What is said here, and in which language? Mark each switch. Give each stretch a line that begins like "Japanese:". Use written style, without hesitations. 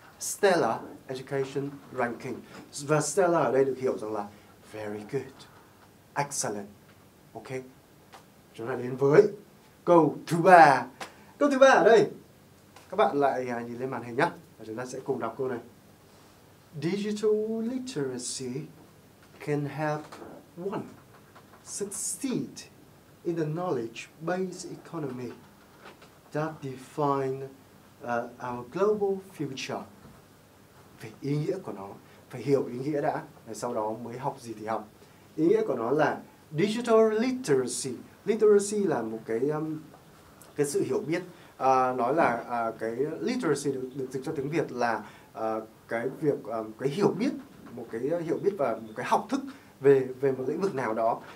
Vietnamese: Stellar Education Ranking. Và Stellar ở đây được hiểu rằng là very good, excellent. Ok, chúng ta đến với câu thứ ba. Câu thứ ba ở đây, các bạn lại nhìn lên màn hình nhé, và chúng ta sẽ cùng đọc câu này.
English: Digital literacy can help one succeed in the knowledge-based economy that define our global future.
Vietnamese: Về ý nghĩa của nó, phải hiểu ý nghĩa đã, rồi sau đó mới học gì thì học. ý nghĩa của nó là digital literacy. Literacy là một cái sự hiểu biết. Nói là cái literacy được dịch cho tiếng Việt là cái việc cái hiểu biết, một cái hiểu biết và một cái học thức về một lĩnh vực nào đó.